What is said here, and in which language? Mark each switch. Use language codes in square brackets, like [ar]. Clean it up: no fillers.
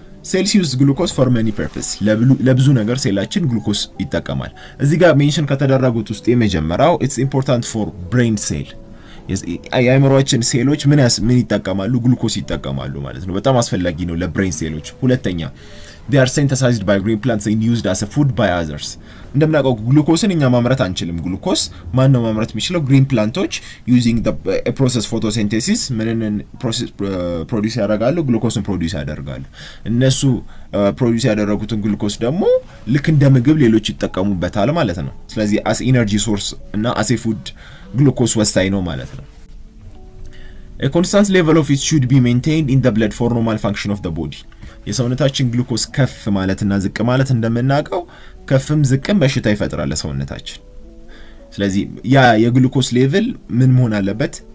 [am] ሴልሲየስ ግሉኮስ [en] ፎር ማኒ ፐርፐስ [am] ለብዙ ነገር ሴላችን ግሉኮስ ይጣቀማል። እዚህ ጋር ሜንሽን ከተደረጉት ውስጥ የመጀመሪያው [en] ኢትስ ኢምፖርታንት ፎር ብሬን ሴል [am] የአይምሮአችን ሴሎች ምን ይጣቀማሉ? ግሉኮስ ይጣቀማሉ ማለት ነው። በጣም አስፈላጊ ነው ለብሬን ሴሎች። ሁለተኛ [en] they are synthesized by green plants and used as a food by others [am] እንደምናውቀው ግሉኮስን እኛ ማምረት አንችልም። ግሉኮስ ማን ነው ማምረት የሚችለው? [en] green plantዎች using the process photosynthesis ምንን process produce ያደርጋሉ? [am] ግሉኮስን produce ያደርጋሉ። እነሱ produce ያደረጉትን ግሉኮስ ደግሞ ልክ እንደ ምግብ ሌሎች ይጣቀሙበታል ማለት ነው። ስለዚህ [en] as energy source [am] እና as a food ግሉኮስ ወሳኝ ነው ማለት ነው። [en] a constant level of it should be maintained in the blood for normal function of the body [am] የሰውነታችን ግሉኮስ ከፍ ማለትና ዝቅ ማለት እንደምናውቀው ከፍም ዝቅም በሽታ ይፈጥራል ለሰውነታችን። ስለዚህ ያ የግሉኮስ ሌቭል ምን መሆን አለበት?